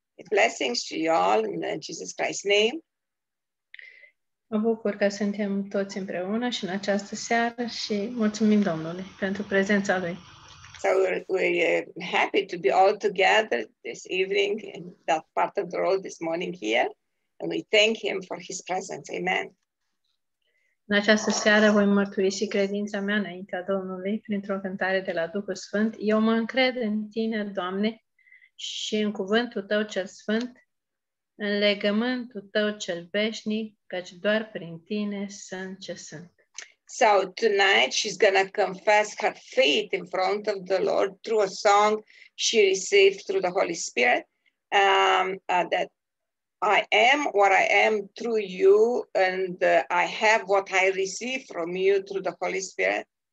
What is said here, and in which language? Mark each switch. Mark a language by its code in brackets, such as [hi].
[en] Blessings to you all in Jesus Christ's name. [ro] Mă bucur că suntem toți împreună și în această seară și mulțumim Domnului pentru prezența Lui. [en] So we're happy to be all together this evening in that part of the road this morning here. And we thank him for his presence. Amen. [ro] În această seară voi mărturisi credința mea înaintea Domnului printr-o cântare de la Duhul Sfânt. Eu mă încred în tine, Doamne, și în cuvântul tău cel sfânt, în legământul tău cel veșnic, căci doar prin tine sunt ce sunt. [en] So tonight she's going to confess her faith in front of the Lord through a song she received through the Holy Spirit that I am what I am through you and I have what I receive from you through the Holy Spirit.